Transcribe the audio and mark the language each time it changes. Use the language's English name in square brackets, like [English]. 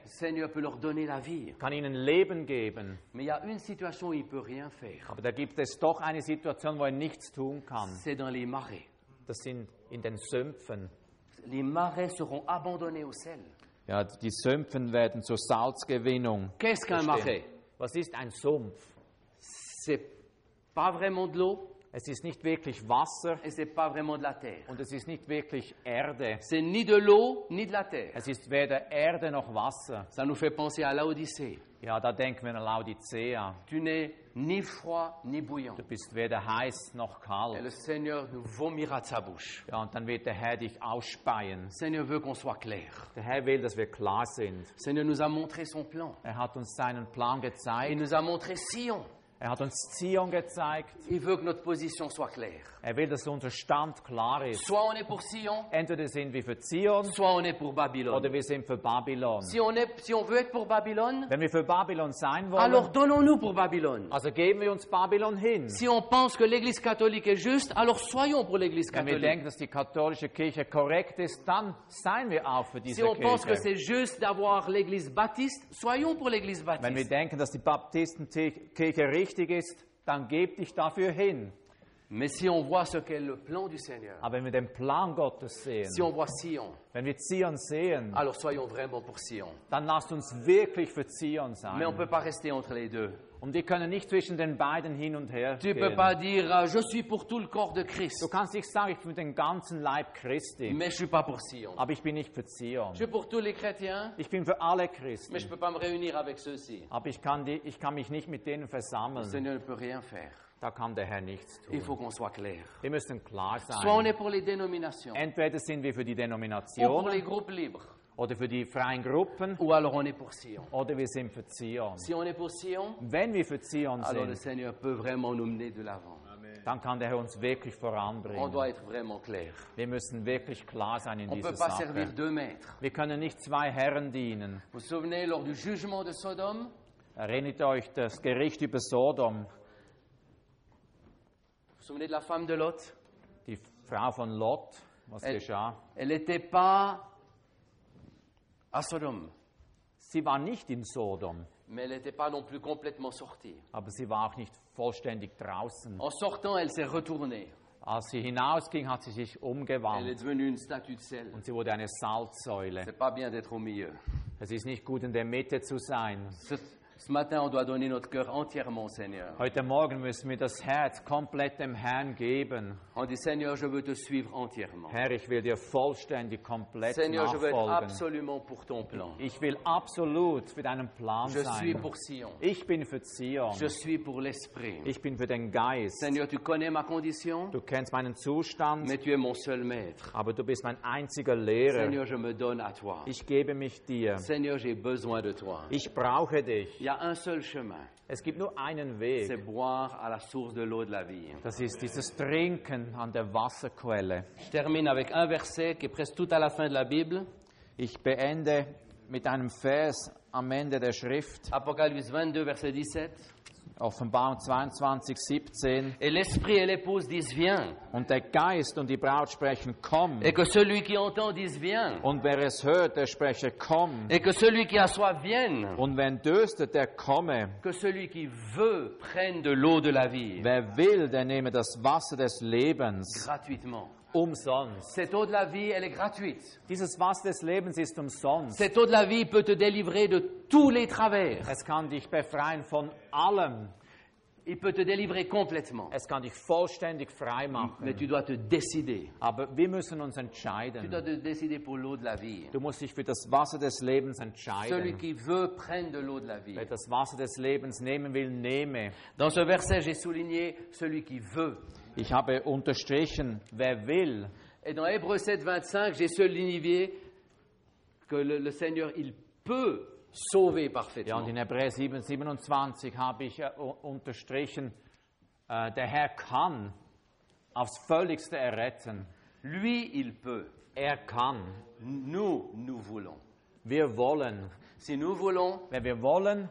[French] Seigneur peut leur donner la vie. [German] Kann ihnen Leben geben. [French] Mais il y a une situation où il peut rien faire. [German] Aber da gibt es doch eine Situation, wo er nichts tun kann. [French] C'est dans les marais. [German] Das sind in den Sümpfen. [French] Les marais seront abandonnés au sel. [German] Ja, die Sümpfe werden zur Salzgewinnung. [French] Qu'est-ce qu'un marais? [German] Was ist ein Sumpf? [French] C'est pas vraiment de l'eau. [German] Es ist nicht wirklich Wasser. [French] Et c'est pas vraiment de la terre. [German] Und es ist nicht wirklich Erde. [French] C'est ni de l'eau, ni de la terre. [German] Es ist weder Erde noch Wasser. [French] Ça nous fait penser à l'Odyssée. [German] Ja, da denken wir an Laodicea. [French] Tu n'es ni froid, ni bouillant. [German] Du bist weder heiß noch kalt. [French] Et le Seigneur nous vomira de sa bouche. [German] Ja, und dann wird der Herr dich ausspeien. [French] Le Seigneur veut qu'on soit clair. [German] Der Herr will, dass wir klar sind. [French] Le Seigneur nous a montré son plan. [German] Er hat uns seinen Plan gezeigt. [French] Il nous a montré Sion. [German] Er hat uns Zion gezeigt. [French] Il veut que notre position soit claire. [German] Er will, dass unser Stand klar ist. [French] Soit on est pour Sion, [German] entweder sind wir für Zion, [French] soit on est pour Babylone. [German] Oder wir sind für Babylon. [French] Si on veut être pour Babylone, [German] wenn wir für Babylon sein wollen, [French] alors donnons-nous pour Babylone. [German] Also geben wir uns Babylon hin. [French] Si on pense que l'Église catholique est juste, alors soyons pour l'Église catholique. [German] Wenn wir denken, dass die katholische Kirche korrekt ist, dann seien wir auch für diese [French] si on pense [German] Kirche. [French] Que c'est juste d'avoir l'Église baptiste, soyons pour l'Église baptiste. [German] Wenn wir denken, dass die Baptistenkirche richtig ist, dann geb dich dafür hin. [French] Mais si on voit ce qu'est le plan du Seigneur, [German] aber wenn wir den Plan Gottes sehen, [French] si on voit Sion, [German] wenn wir Zion sehen, [French] alors soyons vraiment pour Sion. [German] Dann lasst uns wirklich für Zion sein. [French] Mais on peut pas rester entre les deux. [German] Und wir können nicht zwischen den beiden hin und her [French] tu [German] gehen. [French] Peux pas dire, je suis pour tout le corps de Christ. [German] Du kannst nicht sagen, ich bin für den ganzen Leib Christi. [French] Mais je suis pas pour Sion. [German] Aber ich bin nicht für Zion. [French] Je suis pour tous les chrétiens. [German] Ich bin für alle Christen. [French] Mais je peux pas me réunir avec ceux-ci. [German] Aber ich kann mich nicht mit denen versammeln. [French] Le Seigneur ne peut rien faire. [German] Da kann der Herr nichts tun. [French] Il faut qu'on soit clair. [German] Wir müssen klar sein. [French] Soit on est pour les dénominations. [German] Entweder sind wir für die Denomination. [French] Ou pour les groupes libres. [German] Oder für die freien Gruppen. [French] Ou alors on est pour Sion. [German] Oder wir sind für Zion. [French] Si on est pour Sion, [German] wenn wir für Zion sind, [French] alors le Seigneur peut vraiment nous mener de l'avant. [German] Dann kann der Herr uns wirklich voranbringen. [French] On doit être vraiment clair. [German] Wir müssen wirklich klar sein in [French] on [German] dieser [French] peut pas [German] Sache. [French] Servir deux maîtres. [German] Wir können nicht zwei Herren dienen. [French] Vous vous souvenez, lors du jugement de Sodome? [German] Erinnert euch das Gericht über Sodom? [French] Vous vous souvenez de la femme de Lot? [German] Die Frau von Lot, was [French] elle, [German] geschah? [French] Elle était pas à Sodom. [German] Sie war nicht in Sodom. [French] Mais elle était pas non plus complètement sortie. [German] Aber sie war auch nicht vollständig draußen. [French] En sortant, elle s'est retournée. [German] Als sie hinausging, hat sie sich umgewandt. [French] Elle est devenue une statue de sel. [German] Und sie wurde eine Salzsäule. [French] C'est pas bien d'être au milieu. [German] Es ist nicht gut, in der Mitte zu sein. [French] Ce matin, on doit donner notre cœur entièrement au Seigneur. [German] Heute Morgen müssen wir das Herz komplett dem Herrn geben. [French] On dit, Seigneur, je veux te suivre entièrement. [German] Herr, ich will dir vollständig komplett [French] Seigneur, [German] nachfolgen. [French] Seigneur, je veux être absolument pour ton plan. [German] Ich will absolut für deinen Plan [French] je [German] sein. [French] Je suis pour Sion. [German] Ich bin für Zion. [French] Je suis pour l'esprit. [German] Ich bin für den Geist. [French] Seigneur, tu connais ma condition. [German] Du kennst meinen Zustand. [French] Mais tu es mon seul maître. [German] Aber du bist mein einziger Lehrer. [French] Seigneur, je me donne à toi. [German] Ich gebe mich dir. [French] Seigneur, j'ai besoin de toi. [German] Ich brauche dich. [French] Il y a un seul chemin. [German] Es gibt nur einen Weg. [French] C'est boire à la source de l'eau de la vie. [German] Das ist dieses Trinken an der Wasserquelle. [French] Je termine avec un verset qui est presque tout à la fin de la Bible. [German] Ich beende mit einem Vers am Ende der Schrift. [French] Apocalypse 22, verset 17. [German] Offenbarung 22, 17. [French] Et l'esprit et l'épouse disent, viens. [German] Und der Geist und die Braut sprechen, komm. [French] Et que celui qui entend dise, viens. [German] Und wer es hört, der spreche, komm. [French] Et que celui qui a soif, vienne. [German] Und wer dürstet, der komme. [French] Que celui qui veut, prenne de l'eau de la vie. [German] Wer will, der nehme das Wasser des Lebens. [French] Gratuitement. [German] Umsonst. [French] Cette eau de la vie, elle est gratuite. [German] Dieses Wasser des Lebens ist umsonst. [French] Cette eau de la vie peut te délivrer de tous les travers. [German] Es kann dich befreien von allem. [French] Il peut te délivrer complètement. [German] Es kann dich vollständig frei machen. [French] Mais tu dois te décider. [German] Aber wir müssen uns entscheiden. [French] Tu dois te décider pour l'eau de la vie. [German] Du musst dich für das Wasser des Lebens entscheiden. [French] Celui qui veut prenne de l'eau de la vie. [German] Wer das Wasser des Lebens nehmen will, nehme. [French] Dans ce verset, j'ai souligné celui qui veut. [German] Ich habe unterstrichen, wer will. [French] Et dans Hébreux 7, 25, j'ai souligné que le Seigneur, il peut sauver parfaitement. [German] Ja, und in Hebräer 7, 27 habe ich unterstrichen, der Herr kann aufs Völligste erretten. [French] Lui, il peut. [German] Er kann. [French] Nous, nous voulons. [German] Wir wollen. [French] Si nous voulons, [German] wenn wir wollen,